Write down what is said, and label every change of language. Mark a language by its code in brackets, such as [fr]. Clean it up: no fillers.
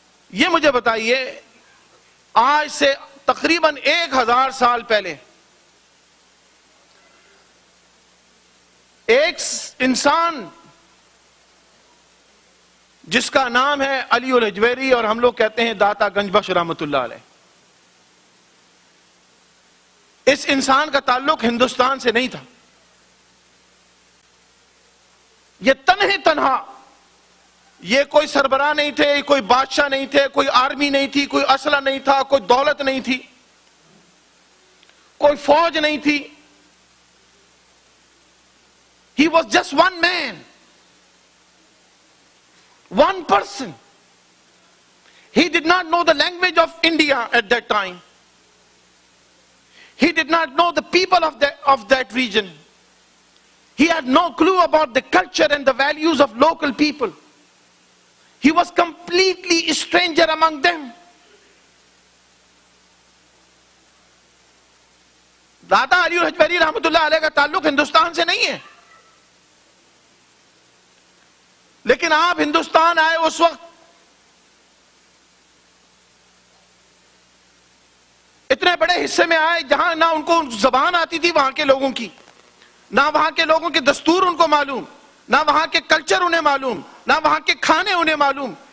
[ur] یہ مجھے بتائیے, آج سے تقریباً 1000 سال پہلے ایک انسان جس کا نام ہے علی الحجویری اور ہم لوگ کہتے ہیں داتا گنج بخش رحمت اللہ علیہ, اس انسان کا تعلق ہندوستان سے نہیں تھا. یہ تنہے تنہا, یہ کوئی سربراہ نہیں تھے, کوئی بادشاہ نہیں تھے, کوئی آرمی نہیں تھی, کوئی اسلحہ نہیں تھا, کوئی دولت نہیں تھی, کوئی فوج نہیں تھی. [en] He was just one man, one person. He did not know the language of India at that time. He did not know the people of that region. He had no clue about the culture and the values of local people. He was completely a stranger among them. [ur] داتا علی الحجویری رحمۃ اللہ علیہ کا تعلق ہندوستان سے نہیں ہے, لیکن آپ ہندوستان آئے اس وقت اتنے بڑے حصے میں آئے جہاں نہ ان کو زبان آتی تھی وہاں کے لوگوں کی, نہ وہاں کے لوگوں کے دستور ان کو معلوم, نہ وہاں کے کلچر انہیں معلوم, نہ وہاں کے کھانے انہیں معلوم.